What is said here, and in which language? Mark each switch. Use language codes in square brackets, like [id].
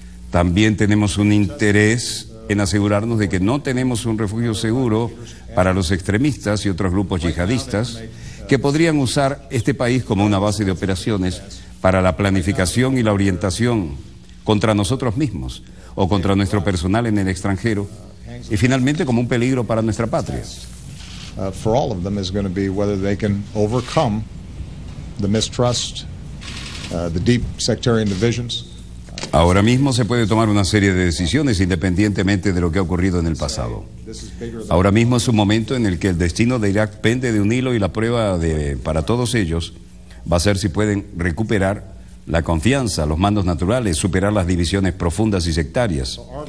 [es] También tenemos un interés en asegurarnos de que no tenemos un refugio seguro para los extremistas y otros grupos yihadistas que podrían usar este país como una base de operaciones para la planificación y la orientación contra nosotros mismos o contra nuestro personal en el extranjero y finalmente como un peligro para nuestra patria. [en] For all of them is going to be whether they can overcome the mistrust, the deep sectarian divisions. [es] Ahora mismo se puede tomar una serie de decisiones independientemente de lo que ha ocurrido en el pasado. Ahora mismo es un momento en el que el destino de Irak pende de un hilo y la prueba para todos ellos va a ser si pueden recuperar la confianza, los mandos naturales, superar las divisiones profundas y sectarias.